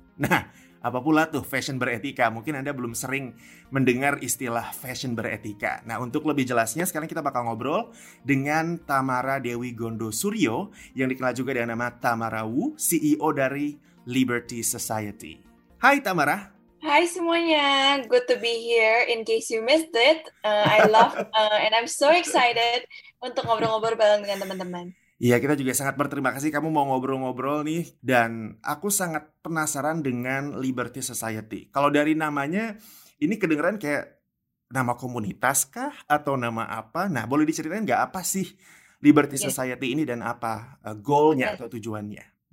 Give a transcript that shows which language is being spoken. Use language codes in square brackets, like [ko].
[id] Nah, apa pula tuh fashion beretika? Mungkin Anda belum sering mendengar istilah fashion beretika. Nah, untuk lebih jelasnya, sekarang kita bakal ngobrol dengan Tamara Dewi Gondo Suryo, yang dikenal juga dengan nama Tamara Wu, CEO dari Liberty Society. Hai Tamara. Hai semuanya, [en] good to be here in case you missed it. I love and I'm so excited [id] untuk ngobrol-ngobrol bareng dengan teman-teman. Iya, kita juga sangat berterima kasih kamu mau ngobrol-ngobrol nih. Dan aku sangat penasaran dengan Liberty Society. Kalau dari namanya, ini kedengeran kayak nama komunitas kah? Atau nama apa? Nah, boleh diceritain nggak apa sih Liberty Society ini dan apa goal-nya atau tujuannya?